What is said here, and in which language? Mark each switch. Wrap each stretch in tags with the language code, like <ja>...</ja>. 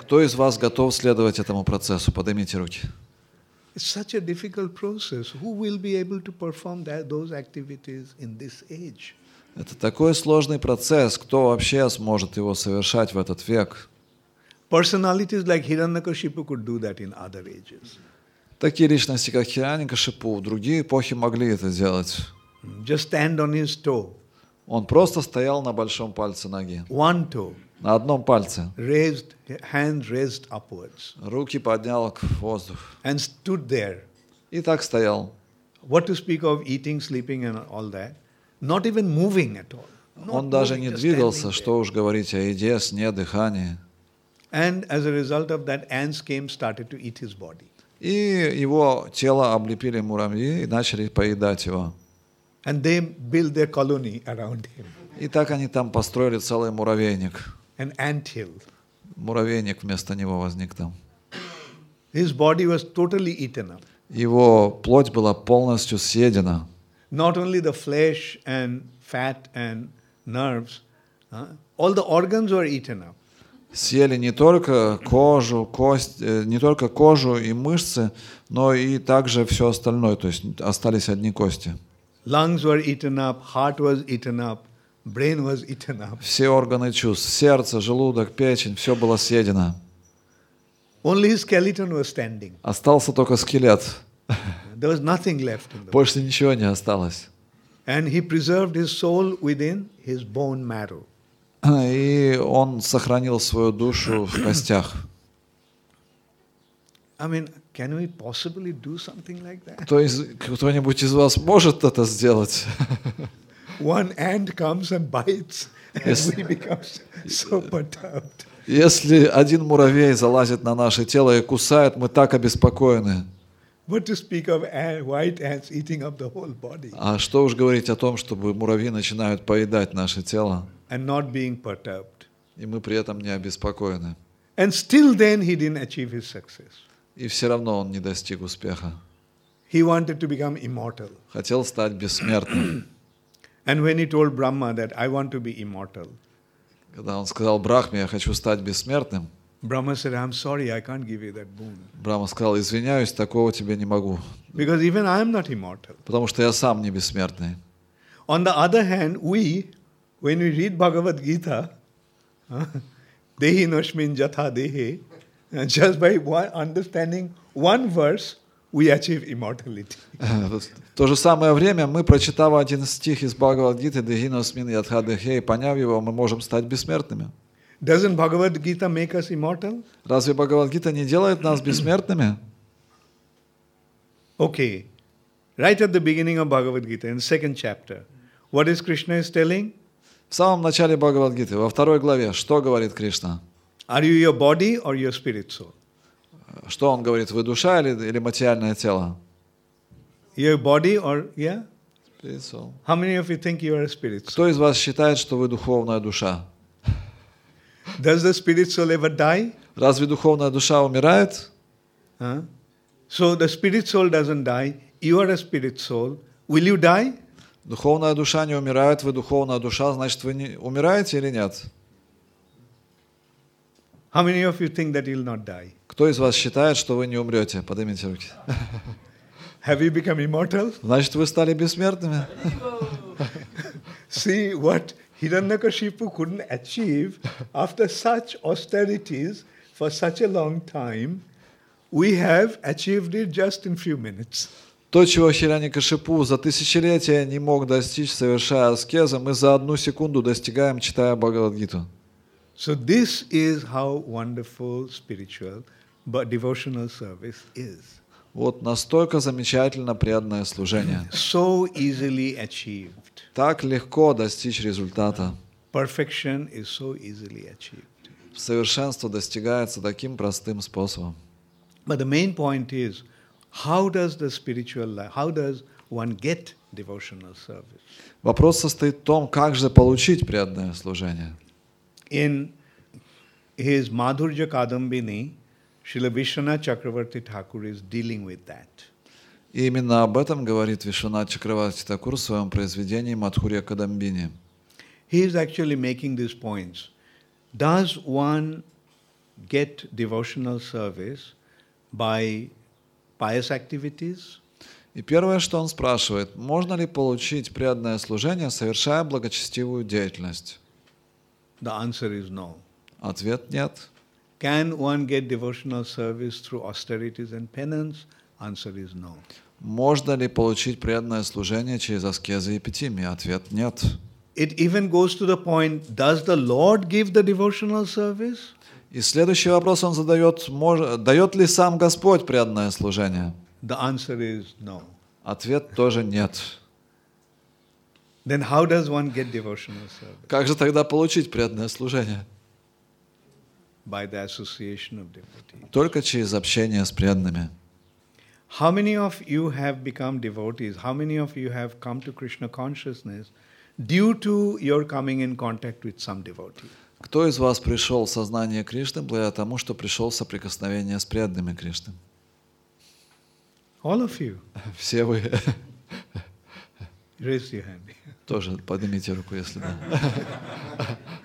<ru>Кто из вас готов следовать этому процессу? Поднимите руки.</ru> <en>It's such a difficult process. Who will be able to perform that, those activities in this age?</en> <ru>Это такой сложный процесс. Кто вообще сможет его совершать в этот век?</ru> <en>Personalities like Hiranyakashipu could do that in other ages.</en> <ru>Такие личности, как Хираньякашипу, в другие эпохи могли это сделать.</ru> <en>Just stand on his toe.</en> <ru>Он просто стоял на большом пальце ноги.</ru> <en>One toe.</en> <ru>На одном пальце.</ru> <en>Raised, hands raised upwards.</en> <ru>Руки поднял к воздуху.</ru> <en>And stood there.</en> <ru>И так стоял.</ru> <en>What to speak of eating, sleeping and all that? Not even moving at all.</en> <ru>Он даже не двигался, что уж говорить о еде, сне, дыхании.</ru> <en>And as a result of that, ants came, started to eat his body.</en> <ru>И его тело облепили муравьи и начали поедать его.</ru> <en>And they built their colony around him.</en> <ru>И так они там построили целый муравейник.</ru> <en>An anthill.</en> <ru>Муравейник вместо него возник там.</ru> <en>His body was totally eaten up.</en> <ru>Его плоть была полностью съедена.</ru> <en>Not only the flesh and fat and nerves, all the organs were eaten up.</en> <ru>Съели не только кожу, кость, не только кожу и мышцы, но и также все остальное, то есть остались одни кости.</ru> <en>Lungs were eaten up, heart was eaten up, brain was eaten up.</en> <ru>Все органы чувств, сердце, желудок, печень, все было съедено.</ru> <en>Only his skeleton was standing.</en> <ru>Остался только скелет.</ru> <en>There was nothing left in the</en> <ru>Больше ничего не осталось.</ru> <en>And he preserved his soul within his bone marrow.</en> <ru>И он сохранил свою душу в костях.</ru> <en>I mean, can we possibly do something like that?</en> <ru>Кто-нибудь из вас может это сделать?</ru> <en>One ant comes and bites, and we become so perturbed.</en> <ru>Если один муравей залазит на наше тело и кусает, мы так обеспокоены.</ru> <en>What to speak of white ants eating up the whole body?</en> <ru>А что уж говорить о том, чтобы муравьи начинают поедать наше тело?</ru> <en>And not being perturbed.</en> <ru>И мы при этом не обеспокоены.</ru> <en>And still then he didn't achieve his success.</en> <ru>И все равно он не достиг успеха.</ru> <en>He wanted to become immortal.</en> <ru>Хотел стать бессмертным.</ru> <en>And when he told Brahma that I want to be immortal.</en> <ru>Когда он сказал Брахме, я хочу стать бессмертным.</ru> <en>Brahma said, I'm sorry, I can't give you that boon.</en> <ru>Брахма сказал, извиняюсь, такого тебе не могу.</ru> <en>Because even I am not immortal.</en> <ru>Потому что я сам не бессмертный.</ru> <en>On the other hand, we When we read Bhagavad Gita,</en> <sa>Dehi Nashmin Jatha Dehi,</sa> <en>just by understanding one verse, we achieve immortality.</en> <ru>То же самое время мы прочитав один стих из Бхагавад Гиты</ru> <sa>Дехи Нашмин Ятха Дехи,</sa> <ru>поняв его, мы можем стать бессмертными.</ru> <en>Doesn't Bhagavad Gita make us immortal?</en> <ru>Разве Бхагавад Гита не делает нас бессмертными?</ru> <en>Okay, right at the beginning of Bhagavad Gita, in the second chapter, what is Krishna is telling?</en> <ru>В самом начале Бхагавад-гиты, во второй главе, что говорит Кришна?</ru> <en>Are you your body or your spirit soul?</en> <ru>Что он говорит, вы душа или материальное тело?</ru> <en>Your body or, yeah? Spirit soul. How many of you think you are a spirit soul?</en> <ru>Кто из вас считает, что вы духовная душа?</ru> <en>Does the spirit soul ever die?</en> <ru>Разве духовная душа умирает?</ru> <en>So the spirit soul doesn't die, you are a spirit soul, will you die?</en> <ru>Духовная душа не умирает, вы духовная душа, значит, вы не умираете или нет?</ru> <en>How many of you think that you'll not die?</en> <ru>Кто из вас считает, что вы не умрете? Поднимите руки.</ru> <en>Have you become immortal?</en> <ru>Значит, вы стали бессмертными.</ru> <en>See what Hiranyakashipu couldn't achieve after such austerities for such a long time, we have achieved it just in few minutes.</en> <ru>То, чего Хиранякашипу за тысячелетия не мог достичь, совершая аскезы, мы за одну секунду достигаем, читая Бхагавад-гиту.</ru> <en>So this is how wonderful spiritual but devotional service is.</en> <ru>Вот настолько замечательно преданное служение.</ru> <en>So easily achieved.</en> <ru>Так легко достичь результата.</ru> <en>Perfection is so easily achieved.</en> <ru>Совершенство достигается таким простым способом.</ru> <en>But the main point is, How does the spiritual life, how does one get devotional service?</en> <ru>Вопрос состоит в том, как же получить преданное служение?</ru> <en>in his Madhurya Kadambini, Srila Vishwanath Chakravarti Thakur is dealing with that.</en> <ru>И именно об этом говорит Вишванат Чакраварти Такур в своем произведении «Мадхурья Кадамбини».</ru> <en>He is actually making these points. Does one get devotional service by pious activities?</en> <ru>И первое, что он спрашивает, можно ли получить преданное служение, совершая благочестивую деятельность?</ru> <en>The answer is no.</en> <ru>Ответ нет.</ru> <en>Can one get devotional service through austerities and penance? Answer is no.</en> <ru>Можно ли получить преданное служение через аскезы и питимии? Ответ нет.</ru> <en>It even goes to the point, does the Lord give the devotional service?</en> <ru>И следующий вопрос он задает, дает ли сам Господь преданное служение?</ru> <en>The answer is no.</en> <ru>Ответ тоже нет.</ru> <en>Then how does one get devotional service?</en> <ru>Как же тогда получить преданное служение?</ru> <en>By the association of devotees.</en> <ru>Только через общение с преданными.</ru> <en>How many of you have become devotees? How many of you have come to Krishna consciousness due to your coming in contact with some devotee?</en> <ru>Кто из вас пришел в сознание Кришны благодаря тому, что пришел в соприкосновение с преданными Кришны?</ru> <en>All of you.</en> <ru>Все вы.</ru> <en>Raise your hand.</en> <ru>Тоже поднимите руку, если да.</ru>